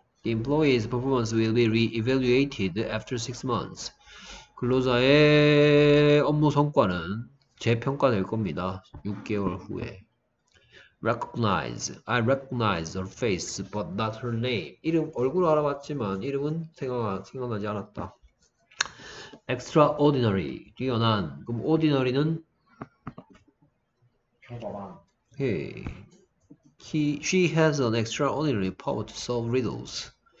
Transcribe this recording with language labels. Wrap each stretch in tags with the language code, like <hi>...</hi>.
<en>The employee's performance will be re-evaluated after 6 months.</en> <ko>근로자의 업무 성과는 재평가될 겁니다. 6개월 후에.</ko> <en>I recognize her face, but not her name.</en> <ko>이름, 얼굴 알아봤지만 이름은 생각나지 않았다. Extraordinary, 뛰어난. 그럼 ordinary는? 평범한.</ko> <en>Hey. She has an extraordinary power to solve riddles.</en>